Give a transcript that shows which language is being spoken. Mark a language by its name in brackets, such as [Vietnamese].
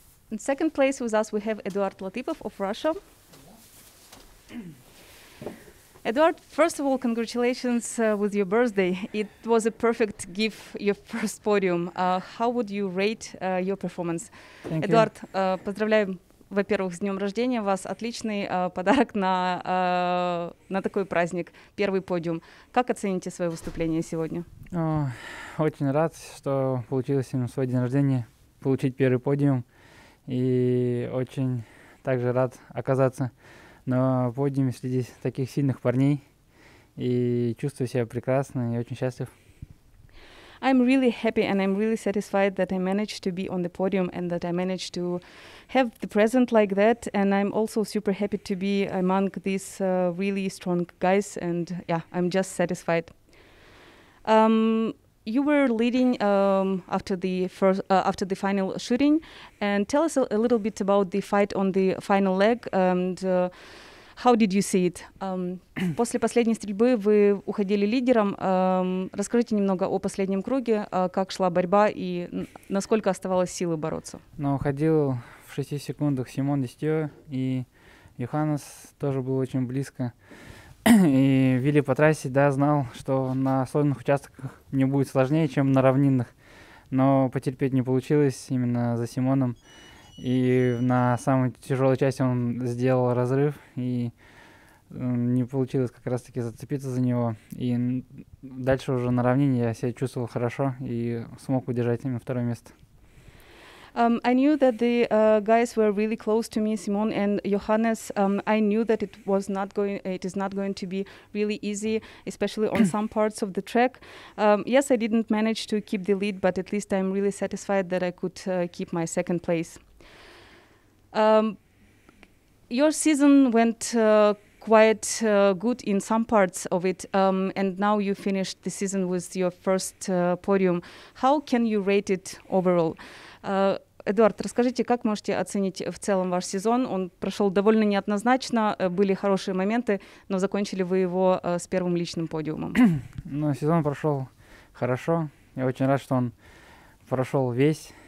[English] In second place with us we have Eduard Latypov of Russia. Eduard, first of all, congratulations with your birthday. It was a perfect gift, your first podium. How would you rate your performance? Thank Eduard, you. [Russian] Поздравляю, во-первых, с днем рождения. У вас отличный подарок на такой праздник, первый подиум. Как оцените свое выступление сегодня? Очень рад, что получилось именно в свой день рождения получить первый подиум. И очень также рад оказаться на подиуме среди таких сильных парней и чувствую себя прекрасно и очень счастлив. [English] I'm really happy and I'm really satisfied that I managed to be on the podium and that I managed to have the present like that, and I'm also super happy to be among these really strong guys, and yeah, I'm just satisfied. You were leading after the final shooting, and tell us a little bit about the fight on the final leg and how did you see it? [Russian] После последней стрельбы вы уходили лидером. Расскажите немного о последнем круге, как шла борьба и насколько оставалось силы бороться. Но уходил в 6 секундах Симон Десthieux, и Johannes тоже был очень близко. И Вилли по трассе, да, знал, что на сложных участках мне будет сложнее, чем на равнинных. Но потерпеть не получилось именно за Симоном. И на самой тяжелой части он сделал разрыв, и не получилось как раз-таки зацепиться за него. И дальше уже на равнине я себя чувствовал хорошо и смог удержать именно второе место. [English] I knew that the guys were really close to me, Simon and Johannes. I knew that it is not going to be really easy, especially on some parts of the track. Yes, I didn't manage to keep the lead, but at least I'm really satisfied that I could keep my second place. Your season went quite good in some parts of it, and now you finished the season with your first podium. How can you rate it overall? [Russian] Эдуард, расскажите, как можете оценить в целом ваш сезон? Он прошел довольно неоднозначно, были хорошие моменты, но закончили вы его с первым личным подиумом. Ну, сезон прошел хорошо. Я очень рад, что он прошел весь.